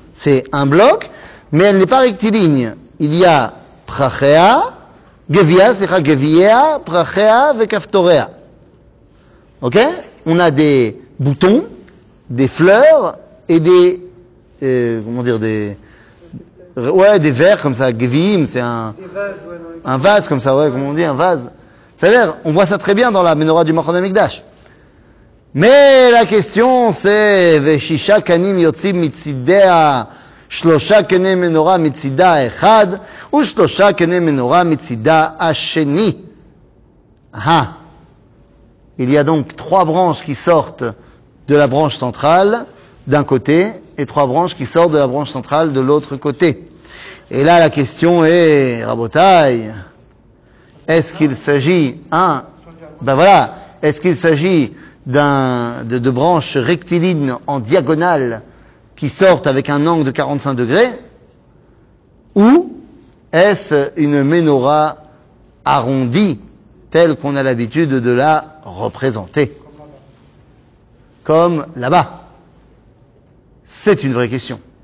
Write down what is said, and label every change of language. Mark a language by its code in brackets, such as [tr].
[fr] C'est un bloc, mais elle n'est pas rectiligne. Il y a prachéa, gevia, c'est-à-dire gevia, prachéa, vekaftoréa. Ok? On a des boutons, des fleurs, et des, comment dire, des, ouais, des verres comme ça, gevim, c'est un, un vase comme ça, ouais, comment on dit, un vase. C'est-à-dire, on voit ça très bien dans la menorah du Machon Amigdash. Mais la question, c'est, [he] veshisha kanim yotzim mitzidea, שלושה קנה מנורה מצידה אחד, ושלושה קנה מנורה מצידה השני. Aha. [fr] Il y a donc trois branches qui sortent de la branche centrale d'un côté, et trois branches qui sortent de la branche centrale de l'autre côté. Et là, la question est, Rabotai, est-ce qu'il s'agit, hein, ben voilà, est-ce qu'il s'agit de branches rectilignes en diagonale, qui sortent avec un angle de 45 degrés, ou est-ce une menorah arrondie, telle qu'on a l'habitude de la représenter ? Comme là-bas. C'est une vraie question.